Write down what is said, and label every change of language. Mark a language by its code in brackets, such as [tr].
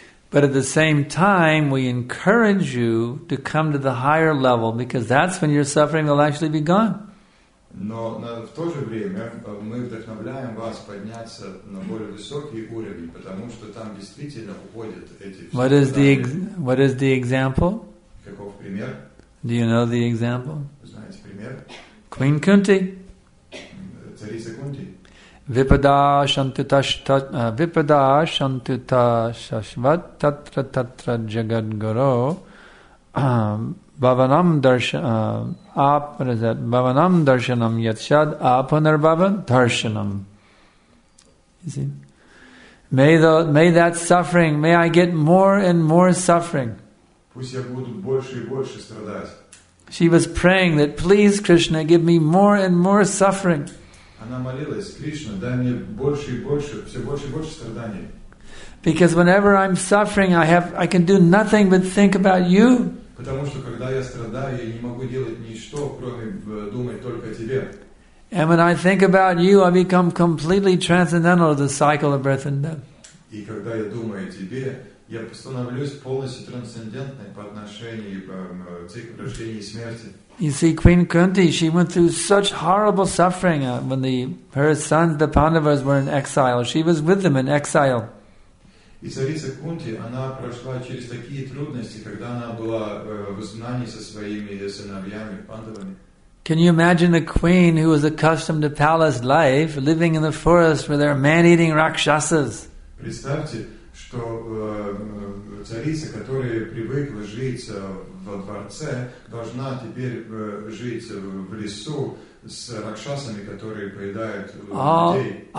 [en] But at the same time, we encourage you to come to the higher level because that's when your suffering will actually be gone. [ru] Но в то же время мы вдохновляем вас подняться на более высокий уровень, потому что там действительно уходят эти страдания. [en] What is the example? [ru] Каков пример? [en] Do you know the example? [ru] Знаете пример? [en] Queen Kunti. [ru] Царица Кунти. [sa] Vipada shantuta shashvat tatra tatra jagad guru bhavanam darshanam [en] what is that? [sa] Bhavanam darshanam yatshad apunarbhavan darshanam. [en] You see? May that suffering, may I get more and more suffering. [ru] Пусть я буду больше и больше страдать. [en] She was praying that, please Krishna, give me more and more suffering. [ru] Она молилась, Кришна, дай мне больше и больше, все больше и больше страданий. [en] Because whenever I'm suffering, I can do nothing but think about you. [ru] Потому что когда я страдаю, я не могу делать ничто, кроме думать только о тебе. [en] And when I think about you, I become completely transcendental to the cycle of birth and death. [ru] И когда я думаю о тебе, я становлюсь полностью трансцендентной по отношению к циклу рождения и смерти. [en] You see, Queen Kunti, she went through such horrible suffering when her sons, the Pandavas, were in exile. She was with them in exile. [ru] И царица Кунти, она прошла через такие трудности, когда она была в изгнании со своими сыновьями, Пандавами. [en] Can you imagine a queen who was accustomed to palace life, living in the forest where there are man-eating rakshasas? [ru] Представьте, что царица, которая привыкла жить во дворце, должна теперь жить в лесу с ракшасами, которые поедают людей.